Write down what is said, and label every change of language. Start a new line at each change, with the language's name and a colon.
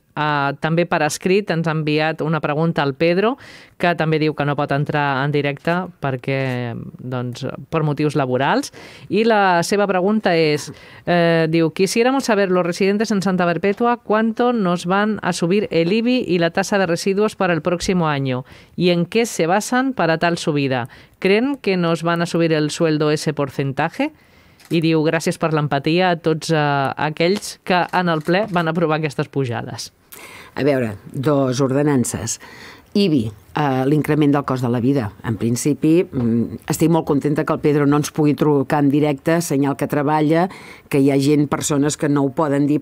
Catalan: També per escrit ens ha enviat una pregunta al Pedro, que també diu que no pot entrar en directe perquè, doncs, per motius laborals. I la seva pregunta és, diu,
Spanish: quisiéramos saber los residentes en Santa Perpetua cuánto nos van a subir el IBI y la tasa de residuos para el próximo año y en qué se basan para tal subida. ¿Creen que nos van a subir el sueldo ese porcentaje?
Catalan: I diu, gràcies per l'empatia a tots aquells que en el ple van aprovar aquestes pujades. A veure, dos ordenances. IBI, l'increment del cost de la vida. En principi, estic molt contenta que el Pedro no ens pugui trucar en directe, senyal que treballa, que hi ha gent, persones que no ho poden dir.